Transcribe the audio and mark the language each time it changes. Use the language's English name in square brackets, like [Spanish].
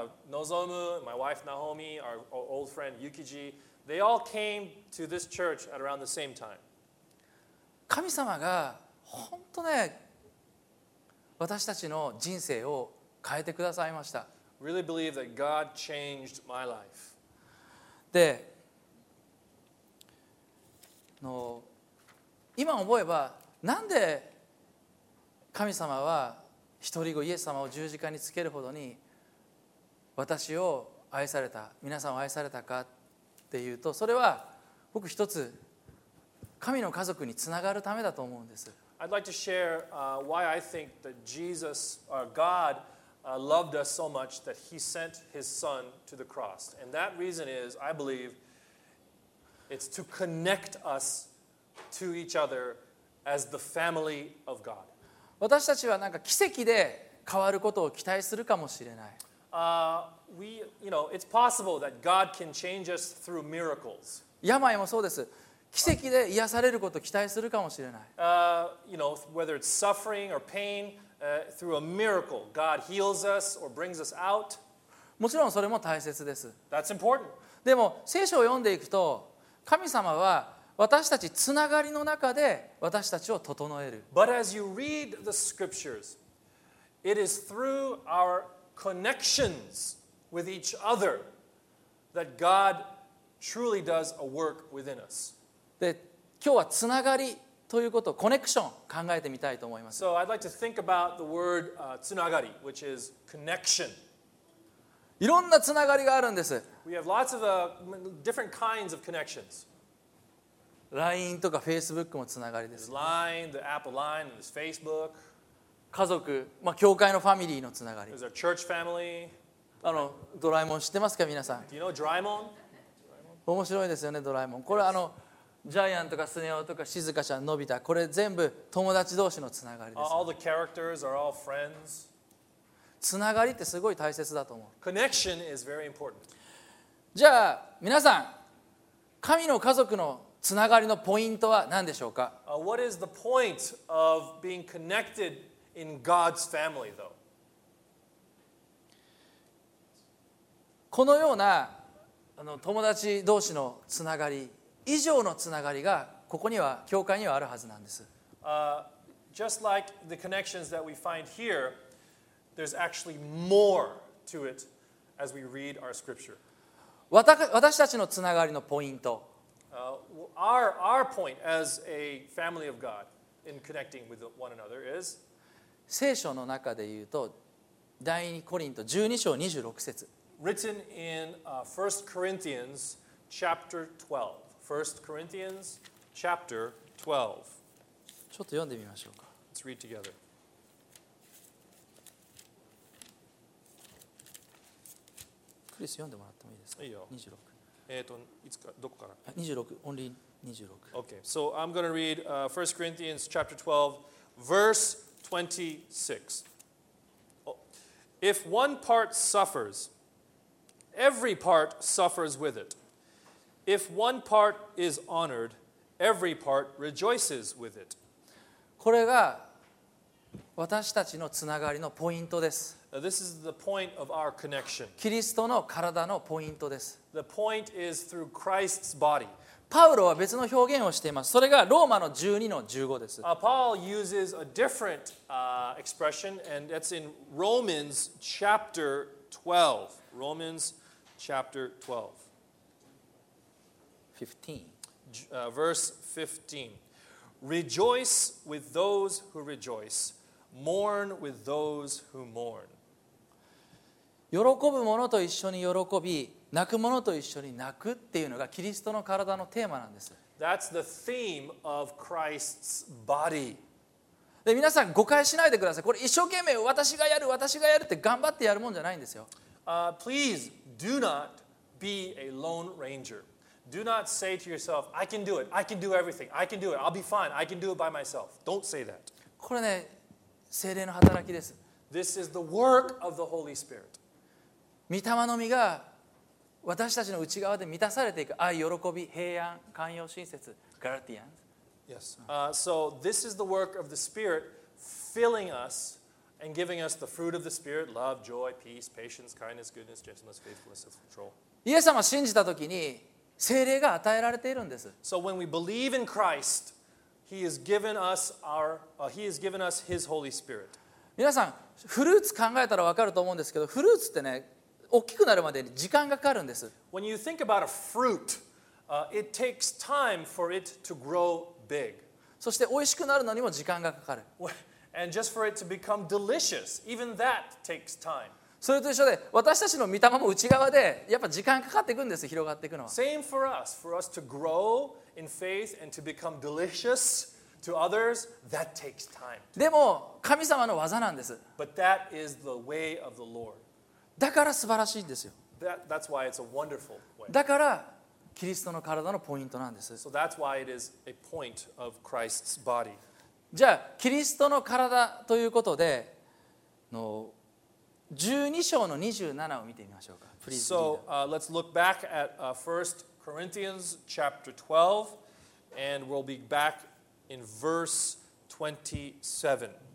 [English] Nozomu, my wife Naomi, our old friend Yukiji,They all came to this church at around the same time. [Japanese] 神様が本当ね、私たちの人生を変えてくださいました。 [English] Really believe that God changed my life. [Japanese] で、今思えば、なんで神様は一人子イエス様を十字架につけるほどに私を愛された、皆さんを愛されたか。っていうと、それは僕一つ神の家族につながるためだと思うんです。 [English] I'd like to share why I think that Jesus, our God, loved us so much that He sent His Son to the cross. And that reason is, I believe, it's to connect us to each other as the family of God. [Japanese] 私たちはなんか奇跡で変わることを期待するかもしれない。 [English] It's possible that God can change us through miracles. [Japanese] 病もそうです。奇跡で癒されることを期待するかもしれない。 [English] Whether it's suffering or pain, through a miracle, God heals us or brings us out. [Japanese] もちろんそれも大切です。 [English] That's important. [Japanese] でも聖書を読んでいくと、神様は私たちつながりの中で私たちを整える。 [English] But as you read the scriptures, it is through our connections. With each other, that God truly does a work within us. [Japanese] で、今日はつながりということ、コネクション考えてみたいと思います。 [English] So I'd like to think about the word つながり, which is connection. [Japanese] いろんなつながりがあるんです。 [English] We have lots of different kinds of connections. [Japanese] LINE とか Facebook もつながりです。 [English] There's LINE, the Apple LINE, there's Facebook. [Japanese] 家族、まあ教会のファミリーのつながり。 [English] There's our church family. [Japanese] あのドラえもん知ってますか皆さん。 [English] Do you know Draymon? [Japanese] 面白いですよねドラえもん。これ、yes. あのジャイアンとかスネオとかしずかちゃんのび太、これ全部友達同士のつながりです。 [English] All the characters are all friends. [Japanese] つながりってすごい大切だと思う。 [English] Connection is very important. [Japanese] じゃあ皆さん、神の家族のつながりのポイントは何でしょうか。 [English] What is the point of being connected in God's family, though? [Japanese] このようなあの友達同士のつながり以上のつながりがここには教会にはあるはずなんです。 [English] Just like the connections that we find here, there's actually more to it as we read our scripture. [Japanese] 私たちのつながりのポイント。 [English] Our point as a family of God in connecting with one another is [Japanese] 聖書の中で言うと第二コリント12章26節。 [English] Written in 1 Corinthians chapter 12. 1 Corinthians chapter 12. [Japanese] ちょっと読んでみましょうか。 [English] Let's read together. [Japanese] クリス読んでもらってもいいですか。いいよ。二十六。いつかどこから。二十六。オンリー二十六。 [English] Okay. So I'm going to read 1 Corinthians chapter 12, verse 26. If one part suffers, every part suffers with it. If one part is honored, every part rejoices with it. [Japanese] これが私たちのつながりのポイントです。 [English] This is the point of our connection. [Japanese] キリストの体のポイントです。 [English] The point is through Christ's body. [Japanese] パウロは別の表現をしています。それがローマの12の15です。 [English] Paul uses a different expression, and that's in Romans chapter 12. Romans chapter 12. 15. Verse 15. Rejoice with those who rejoice. Mourn with those who mourn. [Japanese] 喜ぶ者と一緒に喜び、泣く者と一緒に泣くっていうのがキリストの体のテーマなんです。 [English] That's the theme of Christ's body. [Japanese] で、皆さん誤解しないでください。これ一生懸命私がやる、私がやるって頑張ってやるもんじゃないんですよ。 [English] Please do not be a lone ranger. Do not say to yourself, I can do it. I can do everything. I can do it. I'll be fine. I can do it by myself. Don't say that. [Japanese] これね、聖霊の働きです。 [English] This is the work of the Holy Spirit. [Japanese] 御霊の実が私たちの内側で満たされていく愛、喜び、平安、寛容、親切、ガラティアン。 [English] Yes. So this is the work of the Spirit filling us and giving us the fruit of the Spirit: love, joy, peace, patience, kindness, goodness, gentleness, faithfulness, self-control. [Japanese] イエス様を信じたときに聖霊が与えられているんです。 [English] So when we believe in Christ, He has given us our, He has given us His Holy Spirit. [Japanese] 皆さんフルーツ考えたら分かると思うんですけど、フルーツってね。大きくなるまでに時間がかかるんです。 [English] When you think about a fruit, it takes time for it to grow big. [Japanese] そして美味しくなるのにも時間がかかる。 [English] And just for it to become delicious, even that takes time. [Japanese] それと一緒で、私たちの御霊も内側でやっぱ時間かかっていくんです、広がっていくのは。 [English] Same for us. For us to grow in faith and to become delicious to others, that takes time. [Japanese] でも神様の技なんです。 [English] But that is the way of the Lord. [Japanese] だから素晴らしいんですよ。 [English] That's why it's a wonderful way. [Japanese] だからキリストの体のポイントなんです。 [English] So that's why it is a point of Christ's body. [Japanese] じゃあキリストの体ということで、の12章の27を見てみましょうか。 [English] Please. So let's look back at 1 Corinthians chapter 12, and we'll be back in verse 27.